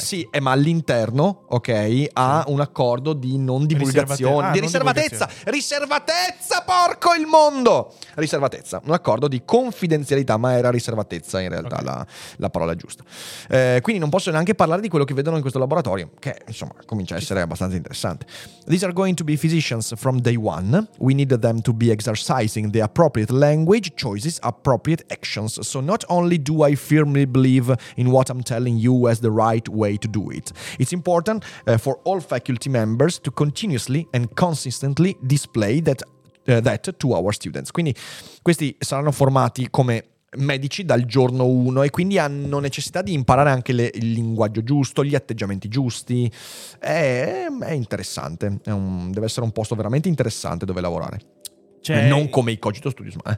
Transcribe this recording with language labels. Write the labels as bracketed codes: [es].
[it] Sì, ma all'interno, ok, ha un accordo di non divulgazione. Riservatezza, porco il mondo! Riservatezza, un accordo di confidenzialità, ma era riservatezza in realtà, okay, la parola giusta. Quindi non posso neanche parlare di quello che vedono in questo laboratorio, che insomma comincia a essere abbastanza interessante. [en] These are going to be physicians from day one. We need them to be exercising the appropriate language choices, appropriate actions. So not only do I firmly believe in what I'm telling you as the right way to do it, it's important for all faculty members to continuously and consistently display that to our students. [it] Quindi questi saranno formati come medici dal giorno 1 e quindi hanno necessità di imparare anche il linguaggio giusto, gli atteggiamenti giusti. È interessante, deve essere un posto veramente interessante dove lavorare. Non come i Cogito Studios, ma.